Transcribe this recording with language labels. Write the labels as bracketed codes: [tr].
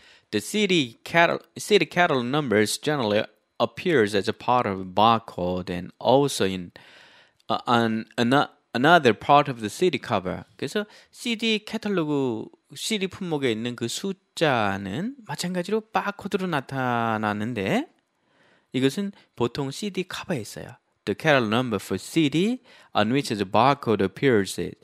[en] The city catalog numbers generally appears as a part of a barcode and also in another part of the CD cover. [ko] 그래서 CD 카탈로그 CD 품목에 있는 그 숫자는 마찬가지로 바코드로 나타나는데 이것은 보통 CD 커버에 있어요. [en] The catalog number for CD on which the barcode appears.